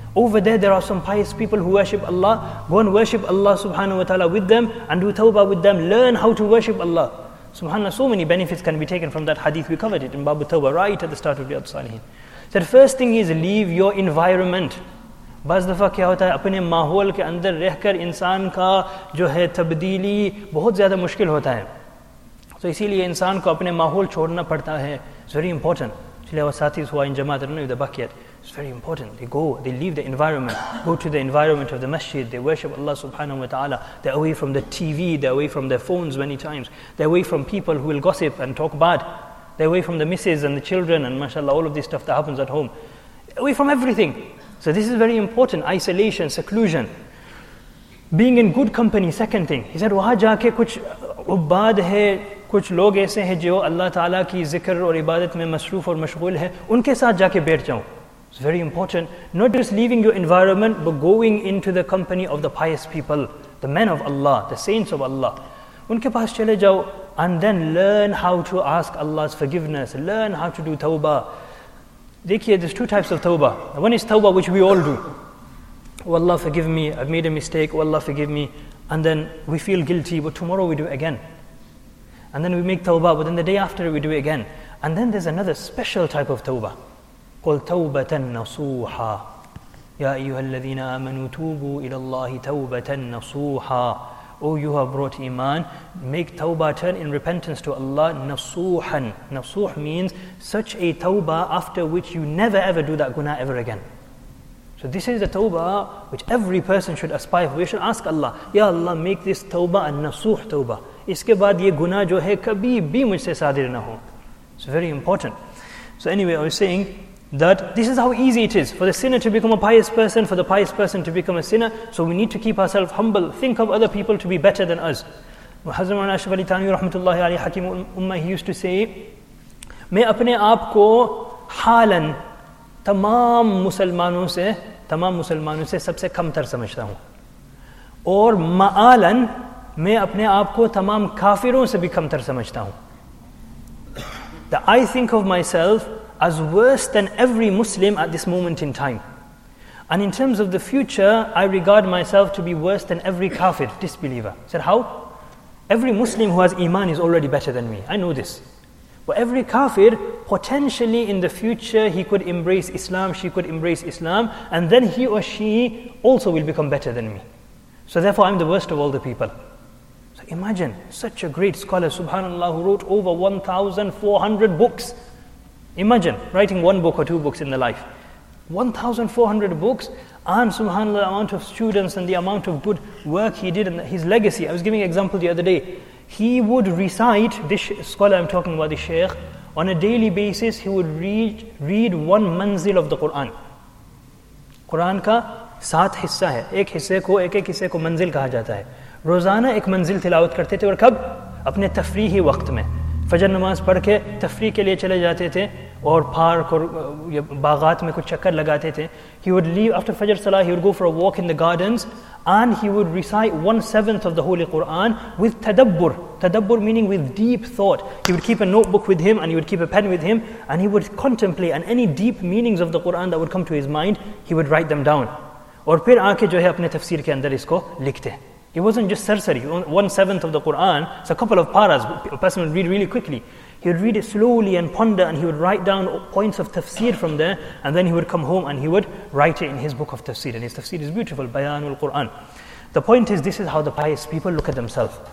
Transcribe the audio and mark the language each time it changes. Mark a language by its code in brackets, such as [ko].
[en] Over there are some pious people who worship Allah. Go and worship Allah subhanahu wa ta'ala with them and do tawbah with them. Learn how to worship Allah. Subhanallah, so many benefits can be taken from that hadith. We covered it in Babu Tawbah right at the start of Riyadh Salihin. So the first thing is leave your environment. [ur] بعض دفعہ کیا ہوتا ہے? اپنے ماحول کے اندر رہ کر انسان کا جو ہے تبدیلی بہت زیادہ مشکل ہوتا ہے. سو اسی لیے انسان کو اپنے ماحول چھوڑنا پڑتا ہے. [en] It's very important. [ur] Chile wa sathis hua in jamaat, [en] I don't know if they're back yet. It's very important. They go, they leave the environment, go to the environment of the masjid, they worship Allah subhanahu wa ta'ala. They're away from the TV, they're away from their phones many times. They're away from people who will gossip and talk bad. They're away from the misses and the children and mashallah, all of this stuff that happens at home. Away from everything. So this is very important, isolation, seclusion. Being in good company, second thing. He said, [ur] وہاں جا کے کچھ عباد ہے, کچھ لوگ ایسے ہے جو اللہ تعالیٰ کی ذکر اور عبادت میں مصروف اور مشغول ہے, ان کے ساتھ جا کے بیٹھ جاؤں. [en] It's very important, not just leaving your environment, but going into the company of the pious people, the men of Allah, the saints of Allah. [ur] Unke paas chale jao, [en] and then learn how to ask Allah's forgiveness, learn how to do tawbah. Dekhiye, there's two types of tawbah. One is tawbah, which we all do. Oh Allah, forgive me, I've made a mistake, oh Allah, forgive me. And then we feel guilty, but tomorrow we do it again. And then we make tawbah, but then the day after we do it again. And then there's another special type of tawbah. [ar] قل توبة نصوحا يا أيها الذين آمنوا توبوا إلى الله توبة نصوحا. [en] Oh, you have brought iman, make tawbah, turn in repentance to Allah. Nasuhan, nasuh means such a tawbah after which you never ever do that guna ever again. So this is the tawbah which every person should aspire for. We should ask Allah, Ya Allah, make this tawbah a nasuh tawbah. [ur] اسکے بعد یہ گناہ جو ہے کبھی بھی مجھ سے صادر نہ ہو. [en] It's very important. So anyway, I was saying that this is how easy it is for the sinner to become a pious person, for the pious person to become a sinner. So we need to keep ourselves humble. Think of other people to be better than us. [ur] حضرت مولانا اشرف علی تھانی رحمۃ اللہ علیہ حکیم امت, [en] he used to say, [ur] میں اپنے آپ کو حالاً تمام مسلمانوں سے سب سے کمتر سمجھتا ہوں, اور مآلاً میں اپنے آپ کو تمام کافروں سے بھی کمتر سمجھتا ہوں. [en] That I think of myself as worse than every Muslim at this moment in time. And in terms of the future, I regard myself to be worse than every kafir, disbeliever. I said, how? Every Muslim who has iman is already better than me. I know this. But every kafir, potentially in the future, he could embrace Islam, she could embrace Islam, and then he or she also will become better than me. So therefore, I'm the worst of all the people. So imagine, such a great scholar, subhanallah, who wrote over 1,400 books. Imagine writing one book or two books in the life. 1,400 books, and subhanAllah, the amount of students and the amount of good work he did and his legacy. I was giving an example the other day. He would recite, this scholar I'm talking about, the Shaykh, on a daily basis, he would read one manzil of the Quran. [ur] قرآن کا سات حصہ ہے. ایک حصے کو, ایک حصے کو منزل کہا جاتا ہے. روزانہ ایک منزل تلاوت کرتے تھے, اور کب? اپنے تفریحی وقت میں. فجر نماز پڑھ کے تفریح کے لیے چلے جاتے تھے اور پارک اور باغات میں کچھ چکر لگاتے تھے. [en] He would leave after Fajr Salah, he would go for a walk in the gardens and he would recite 1/7 of the Holy Quran with tadabbur. Tadabbur meaning with deep thought. He would keep a notebook with him and he would keep a pen with him and he would contemplate, and any deep meanings of the Quran that would come to his mind, he would write them down. [ur] اور پھر آ کے جو ہے اپنے تفسیر کے اندر اس کو لکھتے. [en] He wasn't just sarsari. 1/7 of the Quran, it's a couple of paras. A person would read really quickly. He would read it slowly and ponder, and he would write down points of tafsir from there, and then he would come home and he would write it in his book of tafsir. And his tafsir is beautiful, Bayanul Quran. The point is, this is how the pious people look at themselves.